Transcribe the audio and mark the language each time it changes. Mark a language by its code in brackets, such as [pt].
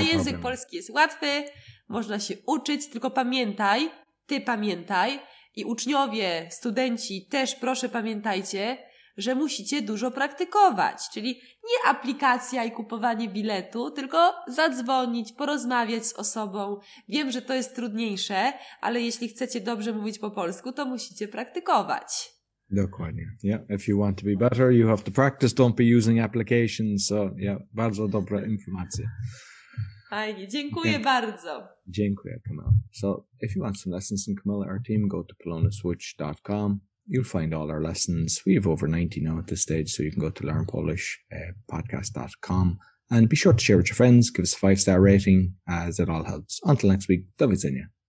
[pl] Język polski jest łatwy, można się uczyć, tylko pamiętaj, ty pamiętaj i uczniowie, studenci też proszę pamiętajcie, że musicie dużo praktykować, czyli nie aplikacja i kupowanie biletu, tylko zadzwonić, porozmawiać z osobą. Wiem, że to jest trudniejsze, ale jeśli chcecie dobrze mówić po polsku, to musicie praktykować. Dokładnie. [en] Yeah, if you want to be better, you have to practice, don't be using applications. So, yeah, [pl] bardzo dobra informacja. Fajnie, dziękuję bardzo. Dziękuję, Kamila. [en] So, if you want some lessons from Kamila, our team, go to polonaswitch.com. You'll find all our lessons. We have over 90 now at this stage, so you can go to learnpolishpodcast.com. And be sure to share with your friends, give us a 5-star rating, as it all helps. Until next week, [pl] do widzenia.